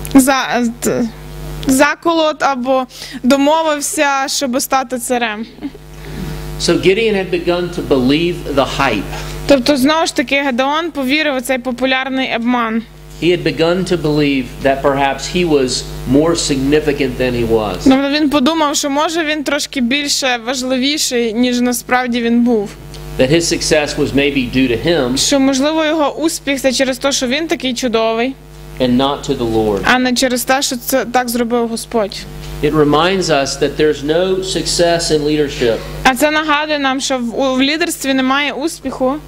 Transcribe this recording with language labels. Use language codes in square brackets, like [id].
[uk] Який зробив заколот або домовився, щоб стати царем. [en] So Gideon had begun to believe the hype. [uk] Тобто, знову ж таки, Гедеон повірив у цей популярний обман. [en] He had begun to believe that perhaps he was more significant than he was. [uk] Тобто він подумав, що може він трошки більше важливіший, ніж насправді він був. [en] That his success was maybe due to him. [uk] Що, можливо, його успіх – це через те, що він такий чудовий. [en] And not to the Lord. [uk] А не через те, що це так зробив Господь. [en] It reminds us that there's no success in leadership. [uk] А це нагадує нам, що в лідерстві немає успіху.